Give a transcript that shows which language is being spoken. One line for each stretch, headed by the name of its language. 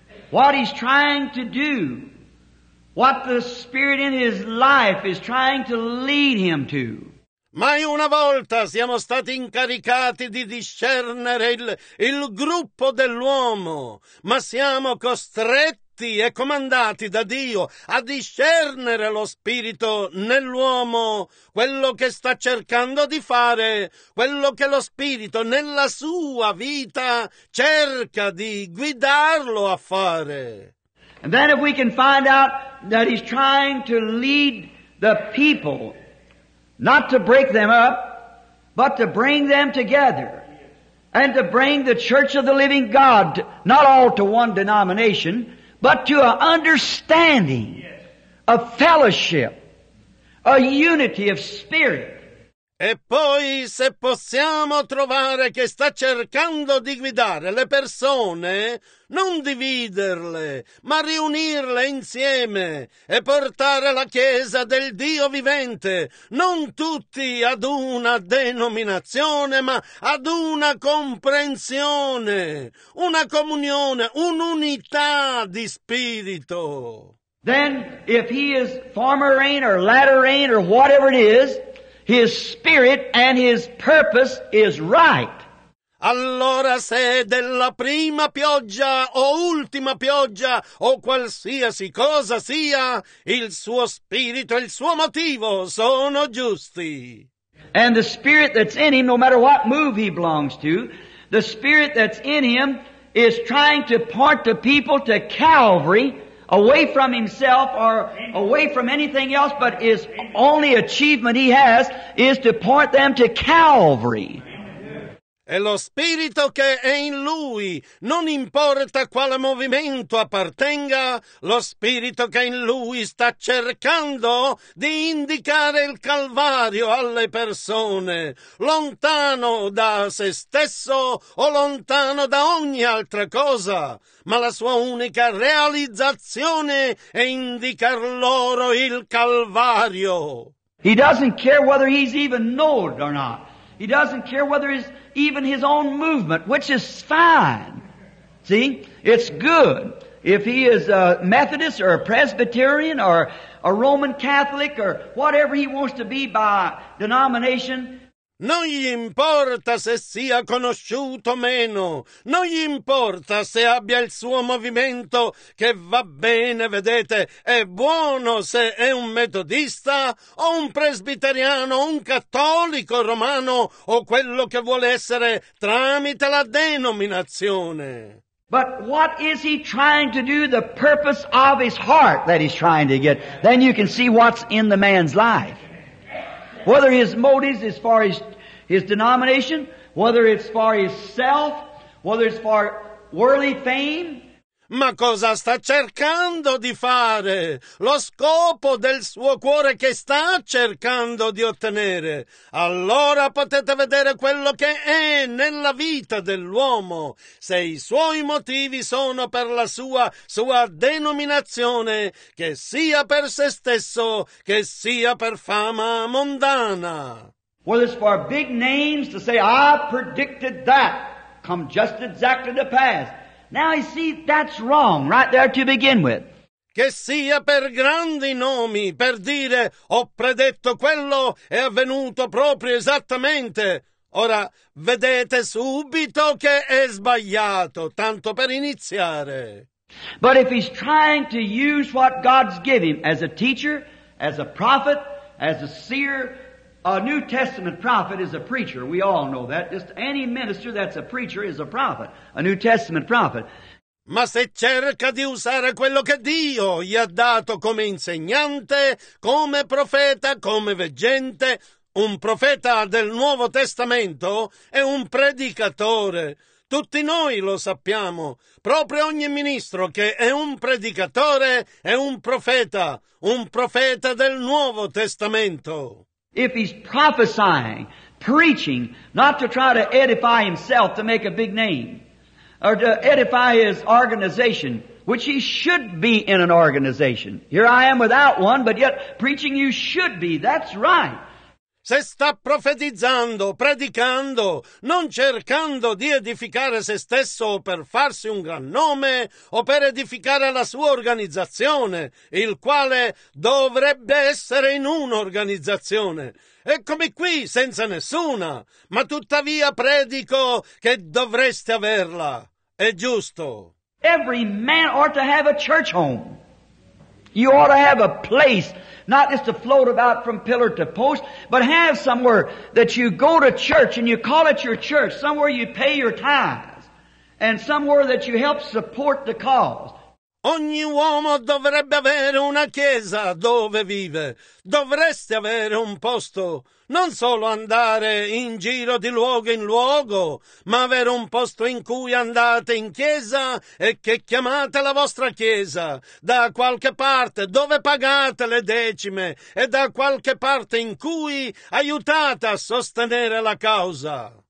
English: What he's trying to do, what the spirit in his life is trying to lead him to.
Italian: Mai una volta siamo stati incaricati di discernere il gruppo dell'uomo, ma siamo costretti diretti e comandati da Dio a discernere lo spirito nell'uomo, quello che sta cercando di fare, quello che lo spirito nella sua vita cerca di guidarlo a fare.
English: And then if we can find out that he's trying to lead the people, not to break them up, but to bring them together, and to bring the church of the living God, not all to one denomination, but to an understanding, a fellowship, a unity of spirit.
Italian: E poi se possiamo trovare che sta cercando di guidare le persone, non dividerle, ma riunirle insieme e portare la Chiesa del Dio vivente, non tutti ad una denominazione, ma ad una comprensione, una comunione, un'unità di spirito.
English: Then if he is former rain or latter rain or whatever it is, his spirit and his purpose is right.
Italian: Allora se della prima pioggia o ultima pioggia o qualsiasi cosa sia, il suo spirito e il suo motivo sono giusti.
English: And the spirit that's in him, no matter what move he belongs to, the spirit that's in him is trying to point the people to Calvary, away from himself or away from anything else, but his only achievement he has is to point them to Calvary.
Italian: E lo spirito che è in lui, non importa quale movimento appartenga, lo spirito che in lui sta cercando di indicare il Calvario alle persone, lontano da se stesso o lontano da ogni altra cosa, ma la sua unica realizzazione è indicar loro il Calvario.
English: He doesn't care whether he's even known or not. He doesn't care whether it's even his own movement, which is fine. See, it's good. If he is a Methodist or a Presbyterian or a Roman Catholic or whatever he wants to be by denomination,
Italian: non gli importa se sia conosciuto o meno, non gli importa se abbia il suo movimento, che va bene, vedete, è buono se è un metodista o un presbiteriano, un cattolico romano o quello che vuole essere tramite la denominazione.
English: But what is he trying to do, the purpose of his heart that he's trying to get? Then you can see what's in the man's life. Whether his motives as far as his denomination, whether it's for his self, whether it's for worldly fame.
Italian: Ma cosa sta cercando di fare? Lo scopo del suo cuore che sta cercando di ottenere? Allora potete vedere quello che è nella vita dell'uomo. Se i suoi motivi sono per la sua denominazione, che sia per se stesso, che sia per fama mondana.
English: Well, it's for big names to say, I predicted that, come just exactly to pass. Now you see, that's wrong right there to begin with.
Italian: Che sia per grandi nomi, per dire ho predetto quello è avvenuto proprio esattamente. Ora vedete subito che è sbagliato, tanto per iniziare.
English: But if he's trying to use what God's given him as a teacher, as a prophet, as a seer, a New Testament prophet is a preacher. We all know that. Just any minister that's a preacher is a prophet, a New Testament prophet.
Italian: Ma se cerca di usare quello che Dio gli ha dato come insegnante, come profeta, come veggente, un profeta del Nuovo Testamento è un predicatore. Tutti noi lo sappiamo, proprio ogni ministro che è un predicatore è un profeta del Nuovo Testamento.
English: If he's prophesying, preaching, not to try to edify himself to make a big name, or to edify his organization, which he should be in an organization. Here I am without one, but yet preaching you should be, that's right.
Italian: Se sta profetizzando, predicando, non cercando di edificare se stesso per farsi un gran nome o per edificare la sua organizzazione, il quale dovrebbe essere in un'organizzazione. Eccomi qui, senza nessuna, ma tuttavia predico che dovreste averla. È giusto.
English: Every man ought to have a church home. You ought to have a place, not just to float about from pillar to post, but have somewhere that you go to church and you call it your church, somewhere you pay your tithes, and somewhere that you help support the cause.
Italian: Ogni uomo dovrebbe avere una chiesa dove vive. Dovreste avere un posto. Non solo andare in giro di luogo in luogo, ma avere un posto in cui andate in chiesa e che chiamate la vostra chiesa, da qualche parte dove pagate le decime e da qualche parte in cui aiutate a sostenere la causa.